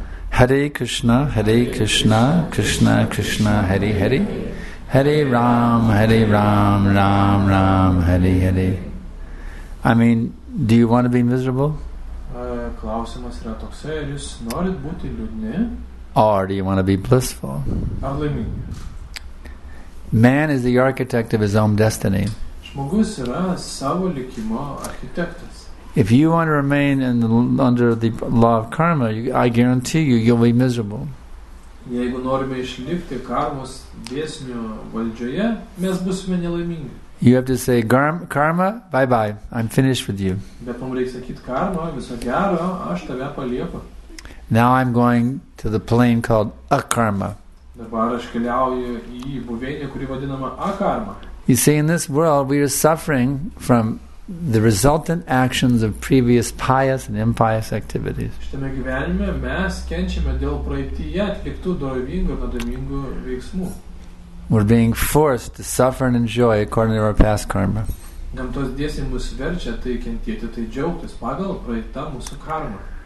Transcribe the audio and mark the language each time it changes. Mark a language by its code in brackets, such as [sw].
[sa] Hare Krishna, Hare Krishna, Krishna Krishna, Hare Hare. Hare Ram, Hare Ram, Ram Ram, Hare Hare. [en] I mean, do you want to be miserable? [lt] Klausimas yra toksai, ar jūs norit būti liūdni? [en] Or do you want to be blissful? Man is the architect of his own destiny. [lt] Žmogus yra savo likimo architektas. [en] If you want to remain in the, under the law of karma, I guarantee you, you'll be miserable. [lt] Jeigu norime išlikti karmos dėsnio valdžioje, mes būsime nelaimingi. [en] You have to say, karma, bye-bye, I'm finished with you. [lt] Bet mums reikia sakyti karma, viso gero, aš tave palieku. [en] Now I'm going to the plane called Akarma. [lt] Dabar aš keliauju į buveinę, kuri vadinama Akarma. [en] You see, in this world we are suffering from the resultant actions of previous pious and impious activities. [lt] Šitame gyvenime mes kenčiame dėl praeityje atliktų dorovingų ir nuodėmingų veiksmų. [en] We're being forced to suffer and enjoy according to our past karma. [lt] Gamtos dėsniai mus verčia tai kentėti, tai džiaugtis pagal praeitą mūsų karmą.